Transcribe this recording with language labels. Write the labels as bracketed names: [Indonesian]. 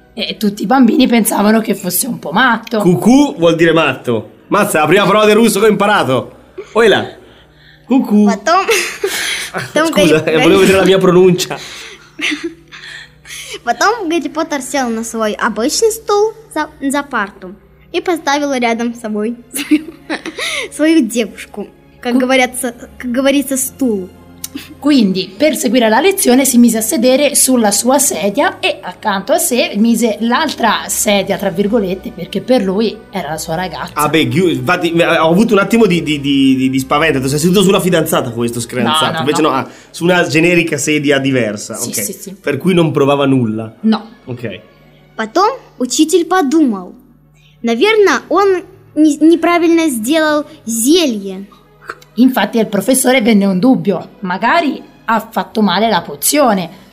[Italian] E tutti i bambini pensavano che fosse un po' matto. Ку-ку vuol dire matto. Mazza, la prima parola del russo che ho imparato. Oila. Ку-ку. [Russian] Потом... [Italian] Scusa, volevo vedere la mia pronuncia. [Russian] Потом Гарри Поттер сел на свой обычный стул за парту и поставил рядом с собой свою девушку. Как говорится, стул. [Italian] Quindi, per seguire la lezione, si mise a sedere sulla sua sedia e accanto a sé mise l'altra sedia, tra virgolette, perché per lui era la sua ragazza. Ah beh, infatti, ho avuto un attimo di spavento, tu sei seduto sulla fidanzata questo screanzato, no. Su una generica sedia diversa, sì, okay. Sì, sì. Per cui non provava nulla. No. Ok. [Russian] Потом учитель подумал, наверное, он неправильно сделал зелье. [Italian] Infatti al professore venne un dubbio, magari ha fatto male la pozione.